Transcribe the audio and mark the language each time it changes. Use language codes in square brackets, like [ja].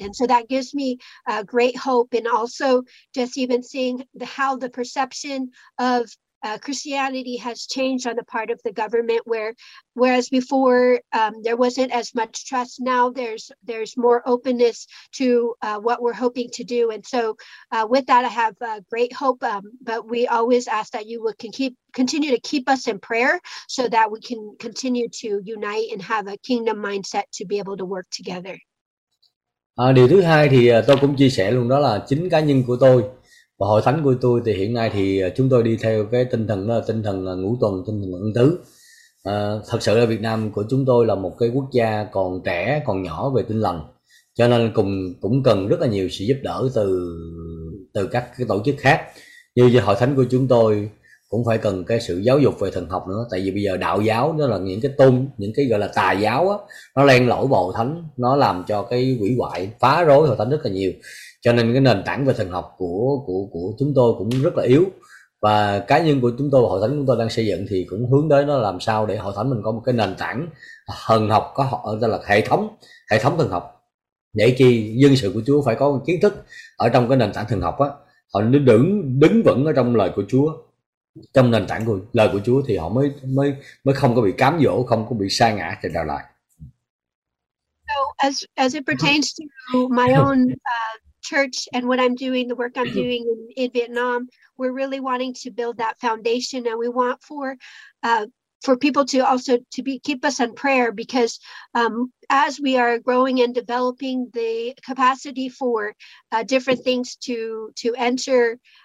[en] And so that gives me great hope. And also just even seeing how the perception of Christianity has changed on the part of the government, whereas before there wasn't as much trust, now there's more openness to what we're hoping to do. And so with that, I have great hope, but we always ask that you can continue to keep us in prayer so that we can continue to unite and have a kingdom mindset to be able to work together. [vi] Điều thứ hai thì tôi cũng chia sẻ luôn, đó là chính cá nhân của tôi và hội thánh của tôi thì hiện nay thì chúng tôi đi theo cái tinh thần đó là tinh thần ngũ tuần, tinh thần ân tứ. Thật sự là Việt Nam của chúng tôi là một cái quốc gia còn trẻ, còn nhỏ về tinh lành, cho nên cũng cần rất là nhiều sự giúp đỡ từ các cái tổ chức khác. Như hội thánh của chúng tôi cũng phải cần cái sự giáo dục về thần học nữa, tại vì bây giờ đạo giáo đó là những cái gọi là tà giáo á, nó len lỏi vào hội thánh, nó làm cho cái hủy hoại phá rối hội thánh rất là nhiều. Cho nên cái nền tảng về thần học của chúng tôi cũng rất là yếu, và cá nhân của chúng tôi, hội thánh chúng tôi đang xây dựng thì cũng hướng đến nó làm sao để hội thánh mình có một cái nền tảng thần học, có ở đây là hệ thống thần học, để khi dân sự của Chúa phải có kiến thức ở trong cái nền tảng thần học á, họ đứng vững ở trong lời của Chúa, trong nền tảng của lời của Chúa thì họ mới không có bị cám dỗ, không có bị sa ngã trên đạo lại. [en] As it pertains to my own church and what I'm doing, the work I'm doing in Vietnam, we're really wanting to build that foundation, and we want for people to also to be keep us in prayer, because as we are growing and developing the capacity for different things to enter